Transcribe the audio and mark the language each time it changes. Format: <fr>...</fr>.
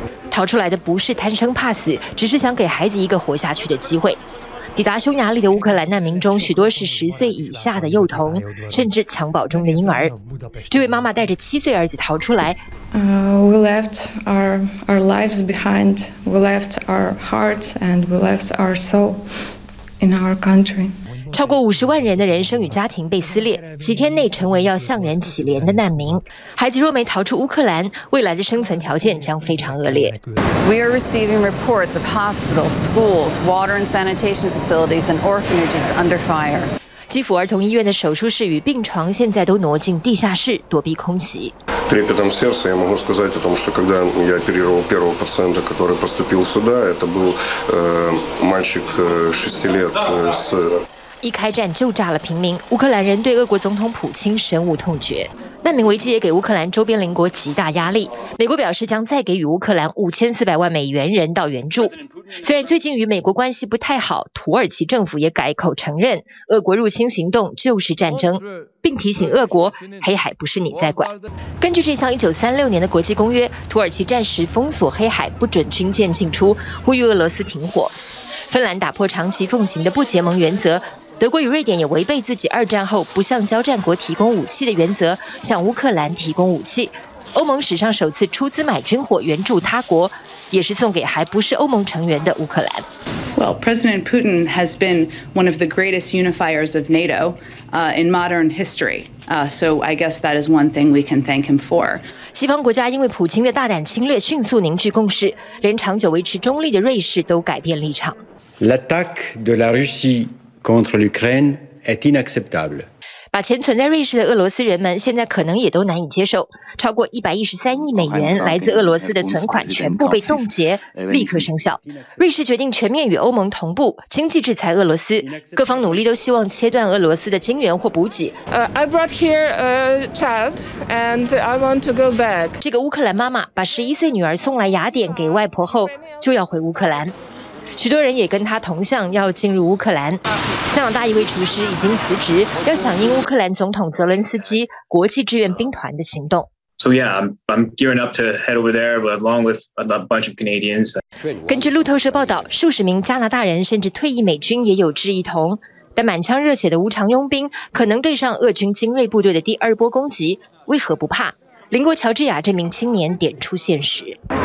<zh>逃出来的不是贪生怕死，只是想给孩子一个活下去的机会。抵达匈牙利的乌克兰难民中，许多是10岁以下的幼童，甚至襁褓中的婴儿。这位妈妈带着7岁儿子逃出来。</zh> <en>We left our lives behind. We left our hearts and we left our soul in our country.</en> <zh>超过500,000人的人生与家庭被撕裂，几天内成为要向人乞怜的难民。孩子若没逃出乌克兰，未来的生存条件将非常恶劣。</zh> <en>We are receiving reports of hospitals, schools, water and sanitation facilities, and orphanages under fire.</en> <zh>基辅儿童医院的手术室与病床现在都挪进地下室，躲避空袭。</zh> <ru>Трепетом сердца я могу сказать о том, что когда я оперировал первого пациента, который поступил сюда, это был мальчик 6 лет с</ru> <zh>一开战就炸了平民，乌克兰人对俄国总统普京深恶痛绝。难民危机也给乌克兰周边邻国极大压力。美国表示将再给予乌克兰5400万美元人道援助。虽然最近与美国关系不太好，土耳其政府也改口承认俄国入侵行动就是战争，并提醒俄国黑海不是你在管。根据这项1936年的国际公约，土耳其战时封锁黑海，不准军舰进出，呼吁俄罗斯停火。芬兰打破长期奉行的不结盟原则，德国与瑞典也违背自己二战后不向交战国提供武器的原则，向乌克兰提供武器。欧盟史上首次出资买军火援助他国，也是送给还不是欧盟成员的乌克兰。</zh> <en>Well, President Putin has been one of the greatest unifiers of NATO, in modern history. So I guess that is one thing we can thank him for.</en> <zh>西方国家因为普京的大胆侵略迅速凝聚共识，连长久维持中立的瑞士都改变立场。</zh> <fr>L'attaque de la Russie. Contre l'Ukraine est inacceptable.</fr> <zh>把钱存在瑞士的俄罗斯人们现在可能也都难以接受。超过113亿美元来自俄罗斯的存款全部被冻结，立刻生效。瑞士决定全面与欧盟同步经济制裁俄罗斯，各方努力都希望切断俄罗斯的金源或补给。</zh> <en>I brought here a child and I want to go back.</en> <zh>这个乌克兰妈妈把11岁女儿送来雅典给外婆后，就要回乌克兰。许多人也跟他同向，要进入乌克兰。加拿大一位厨师已经辞职，要响应乌克兰总统泽伦斯基国际志愿兵团的行动。</zh> <en>So yeah, I'm gearing up to head over there, but along with a bunch of Canadians.</en> <zh>根据路透社报道，数十名加拿大人甚至退役美军也有志一同。但满腔热血的无偿佣兵可能对上俄军精锐部队的第二波攻击，为何不怕？邻国乔治亚这名青年点出现实。</zh>